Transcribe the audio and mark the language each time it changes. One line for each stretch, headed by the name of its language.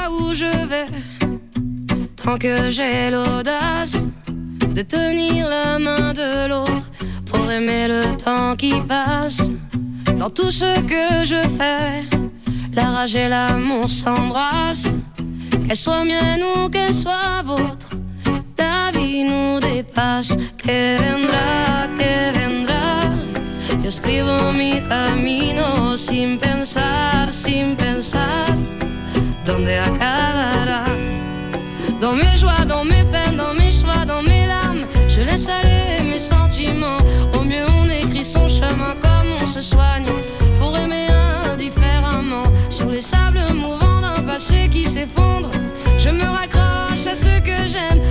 French: comprends que j'ai l'audace de tenir la main de l'autre pour aimer le temps qui passe. Dans tout ce que je fais, la rage et l'amour s'embrassent. Qu'elle soit mienne ou qu'elle soit vôtre, la vie nous dépasse.
Spanish: Que vendrá, que vendrá. Yo escribo mi camino sin pensar, sin pensar. ¿Dónde acabará?
French: Dans mes joies, dans mes peines, dans mes choix, dans mes larmes, je laisse aller mes sentiments. Au mieux on écrit son chemin comme on se soigne pour aimer indifféremment. Sur les sables mouvants d'un passé qui s'effondre, je me raccroche à ce que j'aime.